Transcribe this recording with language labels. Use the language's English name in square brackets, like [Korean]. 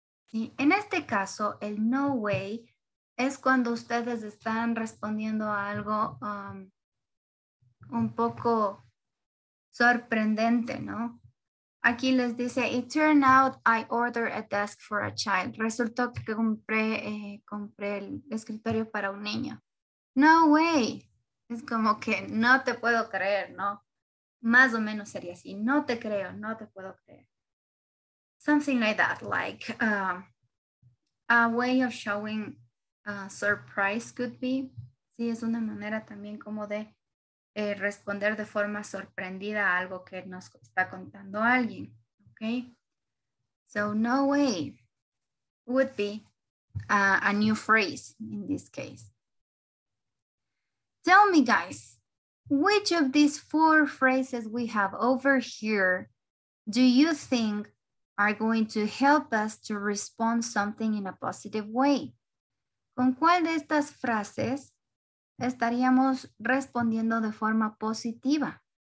[Spanish] Y en este caso, el [English] no way [Spanish] es cuando ustedes están respondiendo a algo un poco sorprendente, ¿no? Aquí les dice, [English] it turned out I ordered a desk for a child. [Spanish] Resultó que compré el escritorio para un niño. [English] No way. [Spanish] Es como que no te puedo creer, ¿no? Más o menos sería así. No te creo, no te puedo creer. [English] Something like that, like a way of showing surprise could be. [Spanish] Sí, es una manera también como de responder de forma sorprendida a algo que nos está contando alguien, okay? [English] So no way would be a new phrase in this case. Tell me, guys, which of these four phrases we have over here do you think are going to help us to respond something in a positive way? [Spanish] ¿Con cuál de estas frases estaríamos respondiendo de forma positiva?